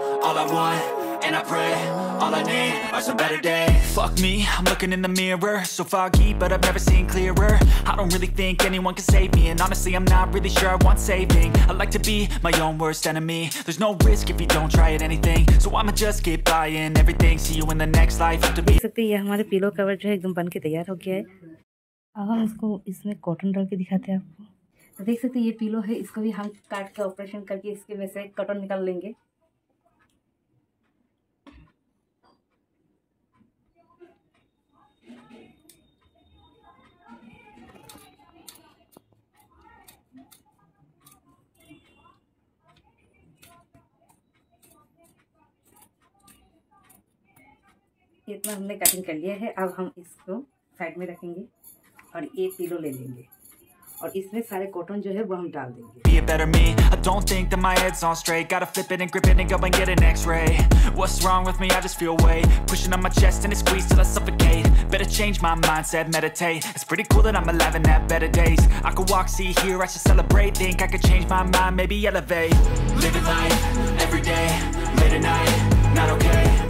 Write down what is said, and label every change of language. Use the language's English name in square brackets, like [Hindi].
[English] All I want, and I pray. All I need are some better days. Fuck me, I'm looking in the mirror. So foggy, but I've never seen clearer. I don't really think anyone can save me. And honestly, I'm not really sure I want saving. I like to be my own worst enemy. There's no risk if you don't try at anything. So I'ma just keep buying everything. See you in the next life. Have to be. [Hindi] सकते हैं ये हमारे pillow cover जो है एकदम बन के तैयार हो गया है। अब हम इसको इसमें कॉटन डाल के दिखाते हैं आपको। तो देख सकते हैं ये पिलो है, इसको भी हम काट के ऑपरेशन करके इसके में से कॉटन निकाल लेंगे। इतना हमने कटिंग कर लिया है, अब हम इसको साइड में रखेंगे और ये पिलो ले लेंगे और इसमें सारे कॉटन जो है वो हम डाल देंगे। [English] Be a better me. I don't think that my head's on straight. Gotta flip it and grip it and go and get an x-ray. What's wrong with me? I just feel weight pushing on my chest and it squeezes till I suffocate. Better change my mindset, meditate. It's pretty cool that I'm alive and have better days. I could walk, see, hear, I should celebrate. Think I could change my mind, maybe elevate. Living life every day, late at night, not okay.